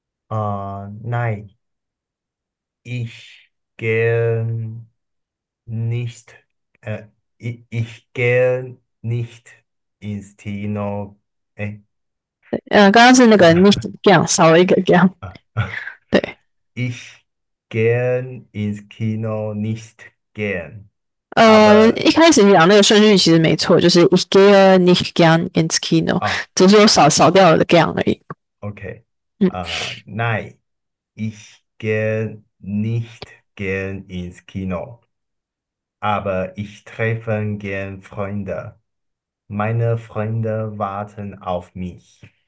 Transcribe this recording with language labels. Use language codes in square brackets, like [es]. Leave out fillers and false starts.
[de] Nein, ich gehe nicht, ich gehe nicht ins Kino. [zh] 刚刚是那个 nicht gern 少了一个 gern，对。 [de] Ich gehen ins Kino nicht gehen. [zh] 一开始你讲那个顺序其实没错，就是 [de] Ich gehe nicht gern ins Kino， [zh] 只是我少掉了 gern 而已。 Okay. [de] Nein, ich gehe nicht gern ins Kino, aber ich treffe gern Freunde. Meine Freunde warten auf mich.